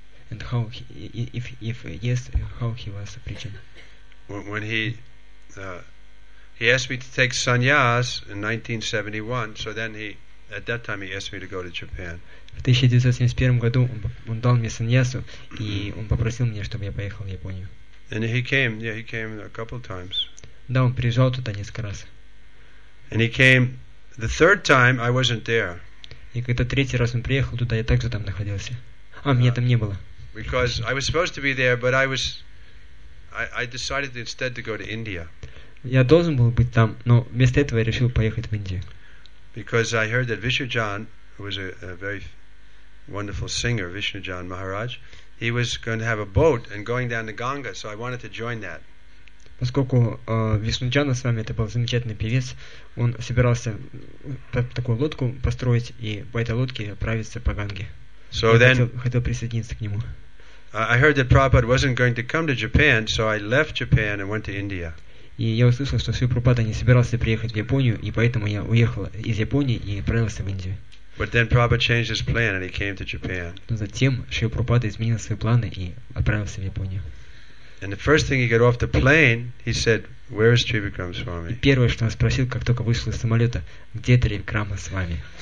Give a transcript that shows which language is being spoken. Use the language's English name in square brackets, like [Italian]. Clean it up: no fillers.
[English] And how he, if yes, how he was preaching? When he asked me to take sannyas in 1971, so then he at that time he asked me to go to Japan. [Russian] В 1971 году он дал мне саньясу, и он попросил меня, чтобы я поехал в Японию. [English] And he came, yeah, he came a couple times. [Russian] Да, он приезжал туда несколько раз. [English] And he came the third time, I wasn't there. [Russian] И когда третий раз он приехал туда, я также там находился. А, меня там не было. [English] Because I was supposed to be there, but I decided instead to go to India. [Russian] Я должен был быть там, но вместо этого я решил поехать в Индию. [English] Because I heard that Vishwajan, who was a very wonderful singer, Vishwajan Maharaj, he was going to have a boat and going down the Ganga, so I wanted to join that. [Russian] Поскольку Вишнуджана с вами, это был замечательный певец, он собирался такую лодку построить и по этой лодке отправиться по Ганге. [English] So then, [Russian] хотел присоединиться к нему. [English] I heard that Prabhupada wasn't going to come to Japan, so I left Japan and went to India. [Russian] И я услышал, что Шрила Прабхупада не собирался приехать в Японию, и поэтому я уехал из Японии и отправился в Индию. [English] But then Prabhupada changed his plan and he came to Japan. [Russian] Но затем Шрила Прабхупада изменил свои планы и отправился в Японию. [English] And the first thing he got off the plane, he said, Where is Trivikrama Swami? [Russian] И первое, что он спросил, как только вышел из самолета, где Тривикрама Свами?